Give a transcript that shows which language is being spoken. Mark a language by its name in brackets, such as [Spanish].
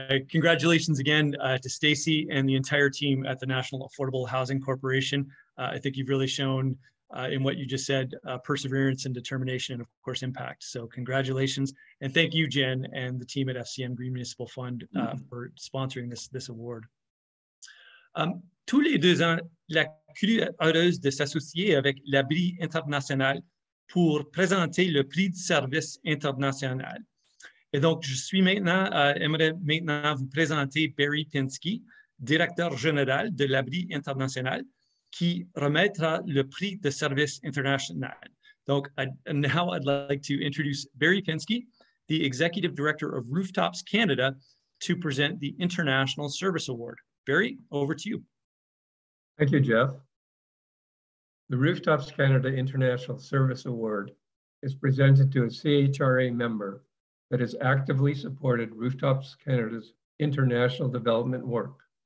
[English] Congratulations again to Stacey and the entire team at the National Affordable Housing Corporation. I think you've really shown in what you just said, perseverance and determination, and of course, impact. So congratulations. And thank you, Jen, and the team at FCM Green Municipal Fund for sponsoring this award. [French] Tous les deux ans, la CHRA est heureuse de s'associer avec l'Abri International pour présenter le prix de service international. Et donc, je suis maintenant, aimerais maintenant vous présenter Barry Pinsky, directeur général de l'Abri International, qui remettra le prix de service international. [English] Donc, now I'd like to introduce Barry Pinsky, the Executive Director of Rooftops Canada, to present the International Service Award. Barry, over to you. Thank you, Jeff. The Rooftops Canada International Service Award is presented to a CHRA member that has actively supported Rooftops Canada's international development work.